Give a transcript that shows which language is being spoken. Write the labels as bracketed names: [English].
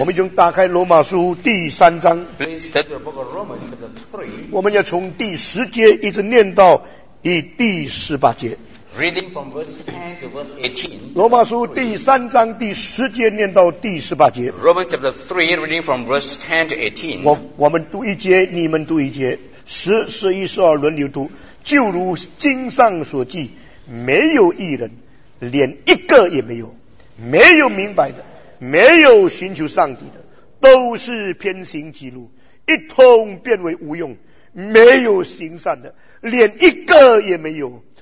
[Chinese] 我们已经打开罗马书第三章。 [English] Please take the book of Romans chapter three. [Chinese] 我们要从第十节一直念到第十八节。 [English] Reading from verse 10 to verse 18. [Chinese] 罗马书第三章第十节念到第十八节。 [English] Romans chapter three, reading from verse 10 to 18. [Chinese] 我们读一节，你们读一节，十、十一、十二轮流读。就如经上所记，没有一人，连一个也没有，没有明白的，没有寻求上帝的，都是偏行己路，一通变为无用，没有行善的，连一个也没有。